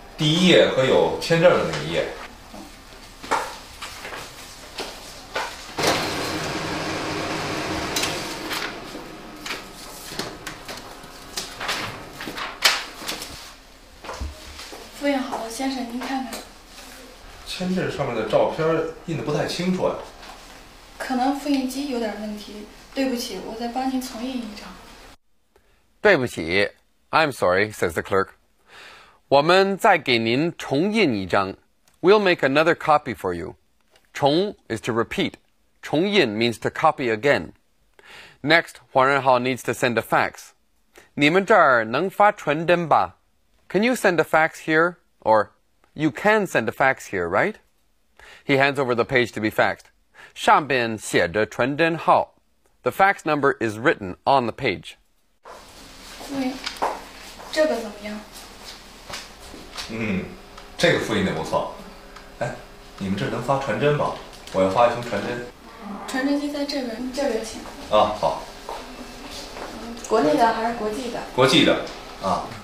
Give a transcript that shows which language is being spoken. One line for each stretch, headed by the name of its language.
Chinese: 第一页和有签证的那一页。复印好了，先生，您看看。签证上面的照片印的不太清楚啊。可能复印机有点问题，对不起，我再帮您重印一张。对不起，
English: I'm sorry, says the clerk.
Chinese: 我们再给您重印一张。
English: We'll make another copy for you. 重 is to repeat. 重印 means to copy again. Next, Huang Renhao needs to send a fax.
Chinese: 你们这儿能发传真吧?
English: Can you send a fax here? Or, you can send a fax here, right? He hands over the page to be faxed.
Chinese: 上边写着传真号.
English: The fax number is written on the page.
Chinese: 这个怎么样? 嗯，这个复印的不错。哎，你们这能发传真吗？我要发一封传真。传真机在这边，这边请。啊，好。国内的还是国际的？国际的。啊。